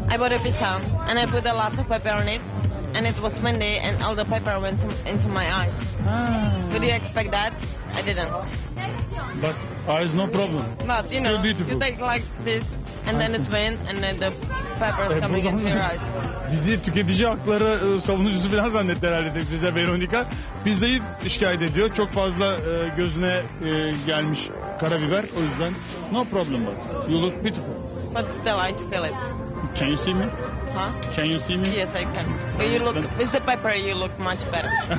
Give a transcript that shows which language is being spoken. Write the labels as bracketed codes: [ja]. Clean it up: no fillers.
[en] I bought a pizza and I put a lot of pepper on it. And it was Monday and all the pepper went into my eyes. Ah. Would you expect that? I didn't. But eyes, no problem. But you still know, beautiful. You take like this and I then see. It went and then the pepper is coming into your eyes. [tr] Bizi tüketici hakları savunucusu falan zannetti herhalde sevgili Veronica. Pizzayı şikayet ediyor. Çok fazla gözüne gelmiş karabiber. O yüzden [en] no problem but you look beautiful. But still I spill it. Can you see me? Huh? Can you see me? Yes I can. But you look, with the pepper you look much better.